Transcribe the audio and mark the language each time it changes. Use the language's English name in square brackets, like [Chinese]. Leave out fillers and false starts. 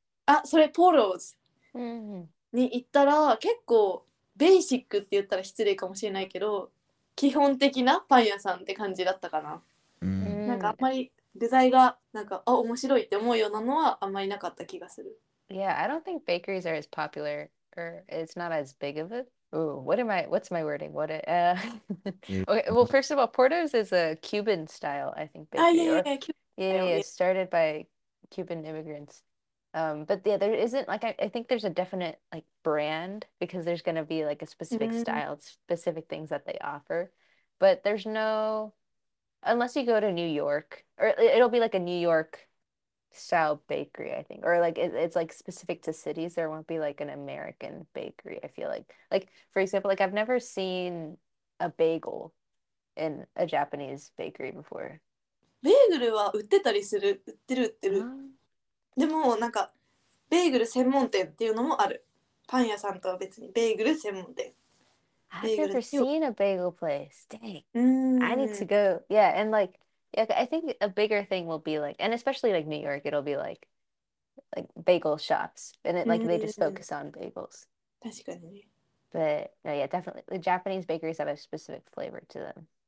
[Japanese] あそれポローズ、うん、に行ったら結構ベーシックって言ったら失礼かもしれないけど、基本的なパン屋さんって感じだったかな、うん、なんかあんまり具材がなんか、あ、面白いって思うようなのはあんまりなかった気がする。 [English] Yeah, I don't think bakeries are as popular or it's not as big of a... Ooh, what am I... What's my wording? What a... okay, well, first of all, Porto's is a Cuban style, I think. Bakery, yeah, started by Cuban immigrants. But yeah, there isn't, like, I think there's a definite, like, brand because there's going to be, like, a specific style, specific things that they offer. But there's no... Unless you go to New York, or it'll be like a New York style bakery, I think. Or like it's like specific to cities. There won't be like an American bakery, I feel like. Like for example, like I've never seen a bagel in a Japanese bakery before. [Japanese] ベーグルは売ってたりする、売ってる、あ、売ってる。でもなんかベーグル専門店っていうのもある。パン屋さんとは別にベーグル専門店。 [English] I've [Japanese] ベーグルっ [English] never [Japanese] てよ。 [English] seen a bagel place. Dang. I need to [Japanese] うん。 [English] go. Yeah, and like, yeah, I think a bigger thing will be like, and especially like New York, it'll be like bagel shops, and it like they just focus on bagels. [Japanese] 確かに。 [English] But no, yeah, definitely the Japanese bakeries have a specific flavor to them.